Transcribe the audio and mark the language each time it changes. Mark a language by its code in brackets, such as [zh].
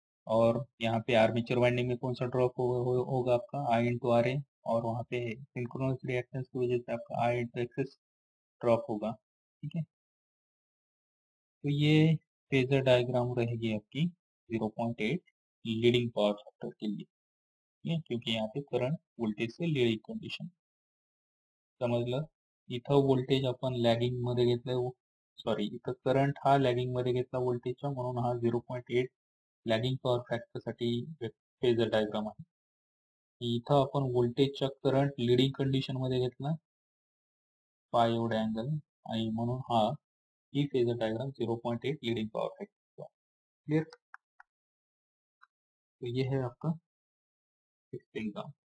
[hi] और यहाँ पे आर्मेचर वाइंडिंग में कौन सा ड्रॉप होगा आपका आई इंटू आर ए, और वहां पे सिंक्रोनस रिएक्टेंस की वजह से आपका आई इंटू एक्सेस ड्रॉप होगा, ठीक है। तो ये फेजर डायग्राम रहेगी आपकी 0.8 लीडिंग पावर फैक्टर के लिए, ठीक है, क्योंकि यहाँ पे करंट वोल्टेज से लीडिंग कंडीशन, समझ लो। [mr] इथं वोल्टेज अपन लैगिंग मध्ये घेतलं, सॉरी इथं करंट हा लैगिंग मध्ये घेतला वोल्टेजचा, म्हणून हा 0.8 लैगिंग पॉवर फैक्टर साठी फेजर डायग्राम आहे। इथं आपण वोल्टेजचा करंट लीडिंग कंडिशन मध्ये घेतला फाय एवढा अँगल आणि म्हणून हा ही phasor diagram 0.8 leading power factor, clear. [hi] तो ये है आपका सिक्स्थ एग्जाम।